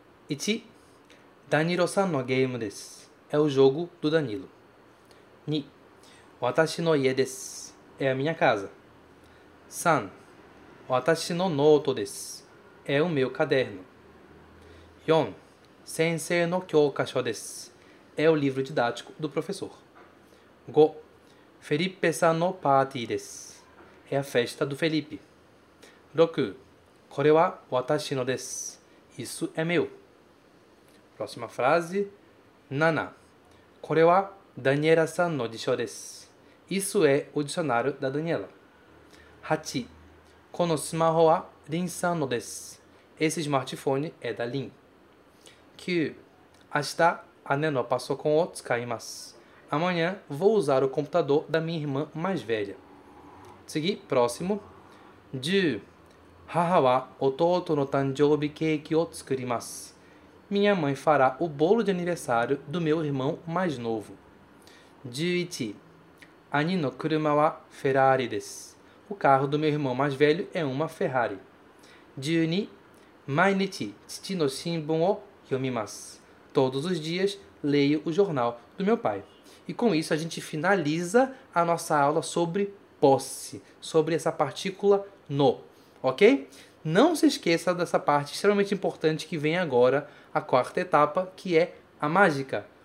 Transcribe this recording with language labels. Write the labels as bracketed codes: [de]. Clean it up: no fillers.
[pt] 1. [ja] Danilo-san no game desu. [pt] É o jogo do Danilo. 2. [ja] Watashi no ie desu. [pt] É a minha casa. 3. [ja] Watashi no noto desu. [pt] É o meu caderno. 4. [ja] 先生の教科書です。 [pt] É o livro didático do professor. 5. [ja] フェリッペさんのパーティーです。 [pt] É a festa do Felipe. 6. [ja] これは私のです。 [pt] Isso é meu. Próxima frase. 7. [ja] これはダニエラさんの辞書です。 [pt] Isso é o dicionário da Daniela. 8. [ja] このスマホはリンさんのです。 [pt] Esse smartphone é da Lin. 9. [ja] 明日、姉のパソコンを使います。 [pt] Amanhã vou usar o computador da minha irmã mais velha. 次、próximo. 10. [ja] 母は弟の誕生日ケーキを作ります。 [pt] Minha mãe fará o bolo de aniversário do meu irmão mais novo. 11. [ja] 兄の車はフェラーリです。 [pt] O carro do meu irmão mais velho é uma Ferrari. 12. [ja] 毎日、父の新聞を読みます。 [pt] Todos os dias leio o jornal do meu pai. E com isso a gente finaliza a nossa aula sobre posse, sobre essa partícula no, ok? Não se esqueça dessa parte extremamente importante que vem agora, a quarta etapa, que é a mágica.